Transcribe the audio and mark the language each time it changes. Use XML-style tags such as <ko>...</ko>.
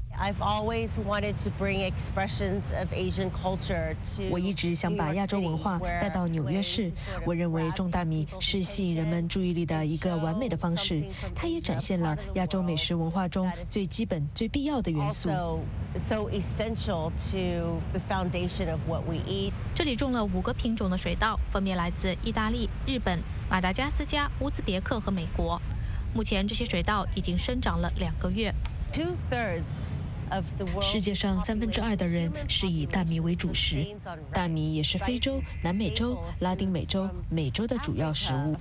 <en>I've always wanted to bring expressions of Asian culture to.</en> <zh>我一直想把亚洲文化带到纽约市。我认为种大米是吸引人们注意力的一个完美的方式。它也展现了亚洲美食文化中最基本、最必要的元素。</zh> <en>So essential to the foundation of what we eat.</en> <zh>这里种了5个品种的水稻，分别来自意大利、日本、马达加斯加、乌兹别克和美国。目前这些水稻已经生长了2个月。 2/3 世界上2/3的人是以大米为主食，大米也是非洲、南美洲、拉丁美洲、美洲的主要食物。</zh>